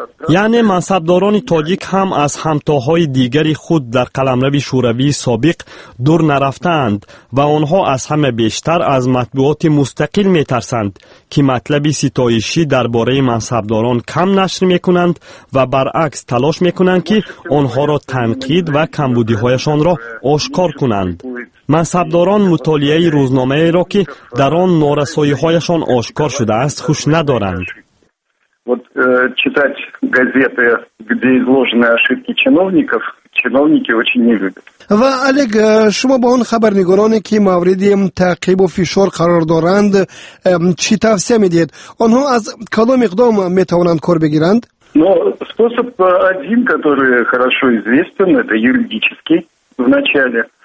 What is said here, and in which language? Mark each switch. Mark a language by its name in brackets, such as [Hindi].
[Persian] یعنی منصبداران تاجیک هم از همتاهای دیگری خود در قلمرو شوروی سابق دور نرفتند و آنها از همه بیشتر از مطبوعات مستقل می ترسند که مطلب ستایشی درباره منصبداران کم نشر می کنند و برعکس تلاش می کنند که آنها را تنقید و کمبودی هایشان را آشکار کنند. منصبداران مطالعه روزنامه را که در آن نارسایی هایشان آشکار شده است خوش ندارند. [Russian] читать газеты, где изложены ошибки чиновников, чиновники очень не любят. [Persian] و الگ شما با اون خبرنگارانی که مورد تعقیب و فشار قرار دارند چی توصیه میدید؟ آنها از کدام اقدام میتوانند کار بگیرند؟ [Russian] ну, способ один, который хорошо известен, это юридический в начале.